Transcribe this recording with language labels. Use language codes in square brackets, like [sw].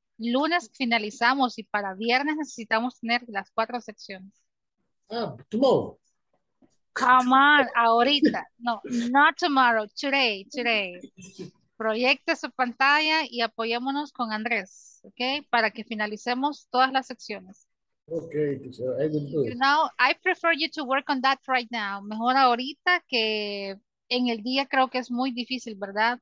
[es] Lunes finalizamos y para viernes necesitamos tener las 4 secciones. [en] Tomorrow. Come on, ahorita. No, not tomorrow, today. [es] Proyecte su pantalla y apoyémonos con Andrés, ¿ok? Para que finalicemos todas las secciones. [en] Ok, so I will do it. You know, I prefer you to work on that right now. [es] Mejor ahorita que en el día creo que es muy difícil, ¿verdad?